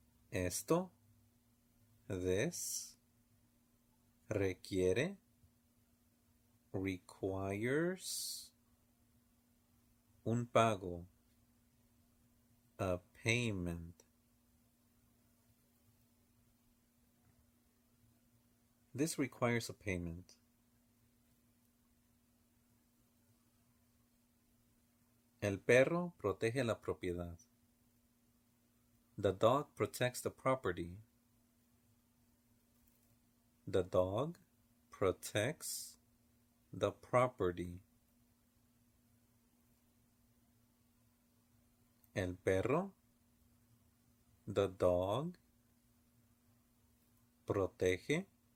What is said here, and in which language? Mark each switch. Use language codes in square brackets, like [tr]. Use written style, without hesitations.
[es] Esto, [en] this, [es] requiere, [en] requires, [es] un pago, [en] a payment. This requires a payment. [es] El perro protege la propiedad. [en] The dog protects the property. The dog protects the property. [es] El perro. [en] The dog [es] protege.